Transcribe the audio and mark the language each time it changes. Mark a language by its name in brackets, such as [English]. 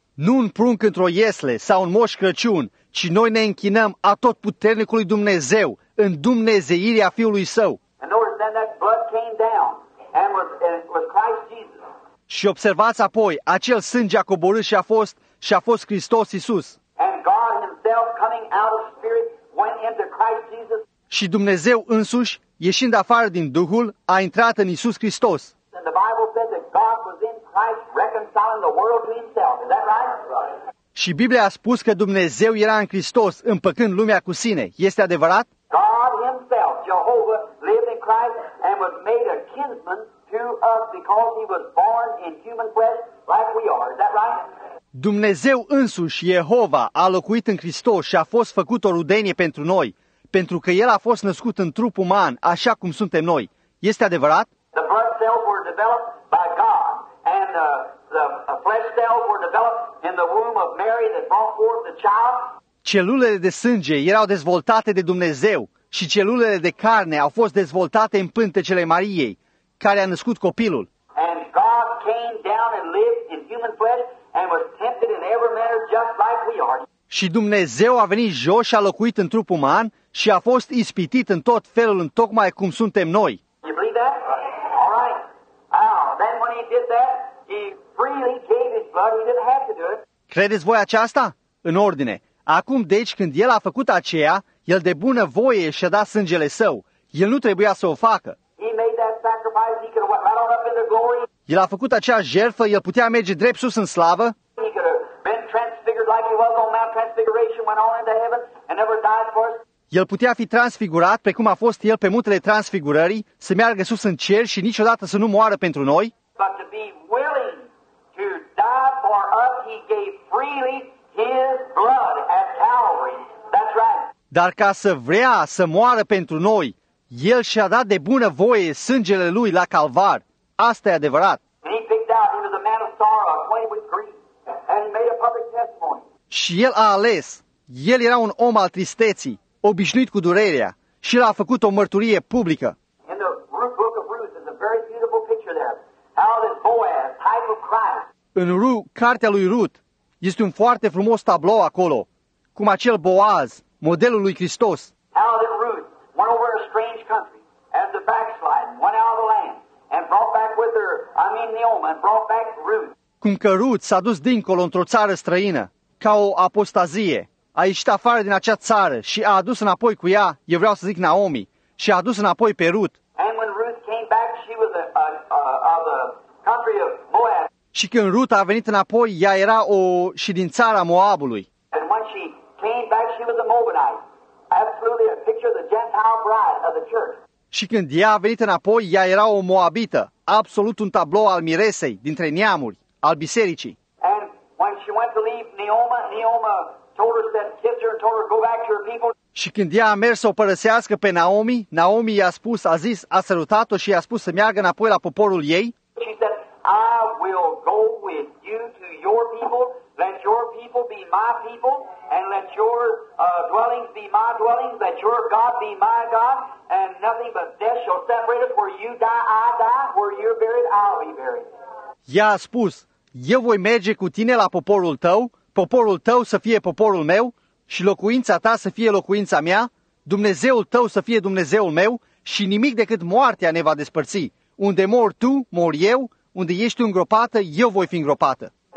[Romanian] Nu un prunc într-o iesle sau un moș Crăciun, ci noi ne închinăm a tot puternicului Dumnezeu în dumnezeirea Fiului Său. [English] And notice then that blood came down and was Christ Jesus. [Romanian] Și observați apoi, acel sânge a coborât și a fost Hristos Iisus. [English] And God himself coming out of spirit went into Christ Jesus. [Romanian] Și Dumnezeu însuși, ieșind afară din Duhul, a intrat în Iisus Hristos. [English] And the Bible says that God was in Christ reconciling the world to himself. Is that right? [Romanian] Și Biblia a spus că Dumnezeu era în Hristos, împăcând lumea cu sine. Este adevărat? [English] God himself, Jehovah, lived in Christ and was made a kinsman to us because he was born in human flesh like we are. Is that right? [Romanian] Dumnezeu însuși, Jehova, a locuit în Hristos și a fost făcut o rudenie pentru noi, pentru că El a fost născut în trup uman, așa cum suntem noi. Este adevărat? [English] The blood cells were developed by God, and the flesh cells were developed in the womb of Mary that brought forth the child. [Romanian] Celulele de sânge erau dezvoltate de Dumnezeu și celulele de carne au fost dezvoltate în pântecele Mariei, care a născut copilul. [English] And God came down and lived in human flesh and was tempted in every manner just like we are. [Romanian] Și Dumnezeu a venit jos și a locuit în trup uman și a fost ispitit în tot felul, în tocmai cum suntem noi. [English] You believe that? All right. Then when he did that, he freely gave his blood. He didn't have to do it. [Romanian] Credeți voi aceasta? În ordine. Acum, deci, când El a făcut aceea, El de bună voie și-a dat sângele Său. El nu trebuia să o facă. [English] He made that sacrifice. He could have went right up into glory. [Romanian] El a făcut acea jertfă, El putea merge drept sus în slavă. [English] He could have been transfigured like he was on Mount Transfiguration, went on into heaven and never died for us. [Romanian] El putea fi transfigurat, precum a fost El pe muntele Transfigurării, să meargă sus în cer și niciodată să nu moară pentru noi. [English] But to be willing to die for us, He gave freely His blood at Calvary. That's right. [Romanian] Dar ca să vrea să moară pentru noi, El și-a dat de bună voie sângele Lui la Calvar. Asta e adevărat. [English] And He picked out into the man of sorrow, acquainted with grief, and made a public testimony. [Romanian] Și El a ales. El era un om al tristeții, obișnuit cu durerea, și l-a făcut o mărturie publică. [English] In the book of Ruth is a very beautiful picture there. How this Boaz, type of Christ. [Romanian] În cartea lui Ruth este un foarte frumos tablou acolo, cum acel Boaz, modelul lui Hristos. [English] How this Ruth went over a strange country as the backslide, went out of the land and brought back with her, Naomi, and brought back Ruth. [Romanian] Cum că Ruth s-a dus dincolo într-o țară străină, ca o apostazie. A ieșit afară din acea țară și a adus înapoi cu ea, eu vreau să zic Naomi, și a adus înapoi pe Ruth. [English] And when Ruth came back, she was of the country of Moab. [Romanian] Și când Ruth a venit înapoi, ea era și din țara Moabului. [English] And when she came back, she was a Moabite. Absolutely a picture of the Gentile bride of the church. [Romanian] Și când ea a venit înapoi, ea era o moabită, absolut un tablou al miresei, dintre neamuri, al bisericii. [English] And when she went to leave Naomi told her, said, kiss her, told her, go back to your people. [Romanian] Și când ea a mers să o părăsească pe Naomi, Naomi a zis, a sărutat-o și i-a spus să meargă înapoi la poporul ei. [English] She said, I will go with you to your people, let your people be my people, and let your dwellings be my dwellings, let your God be my God, and nothing but death shall separate us, where you die, I die, where you're buried, I'll be buried. [Romanian] Ea a spus, eu voi merge cu tine la poporul tău, poporul tău să fie poporul meu și locuința ta să fie locuința mea, Dumnezeul tău să fie Dumnezeul meu și nimic decât moartea ne va despărți. Unde mor tu, mor eu, unde ești tu îngropată, eu voi fi îngropată.